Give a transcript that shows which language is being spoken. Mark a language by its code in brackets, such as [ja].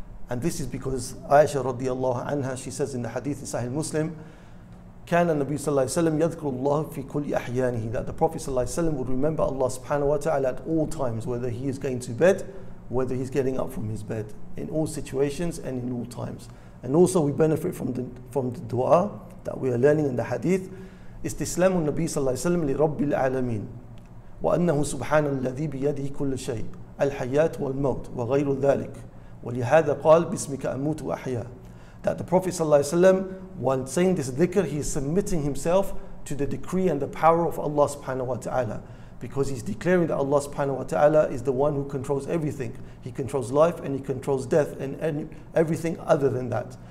[en] And this is because Aisha radiallahu anha, she says in the hadith in Sahih Muslim, [ar] كان النبي صلى الله عليه وسلم يذكر الله في كل أحيانه, [en] that the Prophet صلى الله عليه وسلم would remember Allah subhanahu wa ta'ala at all times, whether he is going to bed, whether he's getting up from his bed, in all situations and in all times. And also we benefit from the dua that we are learning in the hadith, [ar] استسلام النبي صلى الله عليه وسلم لرب العالمين وأنه سبحان الذي بيده كل شيء الحياة والموت وغير ذلك. وَلِهَذَا قَالْ بِسْمِكَ أَمُوتُ وَأَحْيَا. [en] That the Prophet ﷺ, while saying this dhikr, he is submitting himself to the decree and the power of Allah subhanahu wa ta'ala, because he's declaring that Allah subhanahu wa ta'ala is the one who controls everything. He controls life and he controls death and everything other than that.